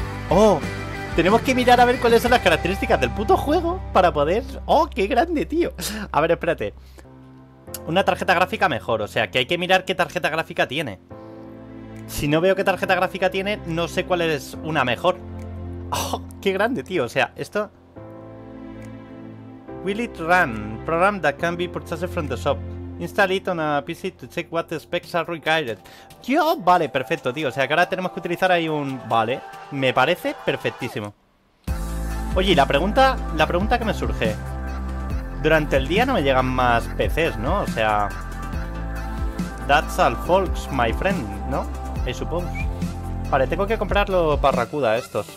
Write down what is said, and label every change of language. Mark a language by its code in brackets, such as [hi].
[es] Oh, tenemos que mirar a ver cuáles son las características del puto juego para poder. Oh, qué grande, tío. A ver, espérate. Una tarjeta gráfica mejor, o sea, que hay que mirar qué tarjeta gráfica tiene. Si no veo qué tarjeta gráfica tiene, no sé cuál es una mejor. ¡Oh, qué grande, tío! O sea, esto... [en] Will it run? Program that can be purchased from the shop. Install it on a PC to check what the specs are required. [es] ¡Yo! Vale, perfecto, tío. O sea, que ahora tenemos que utilizar ahí un... Vale, me parece perfectísimo. Oye, la pregunta que me surge... Durante el día no me llegan más PCs, ¿no? O sea... [en] That's all folks, my friend, [es] ¿no? [en] I suppose. [es] Vale, tengo que comprar los Barracuda estos.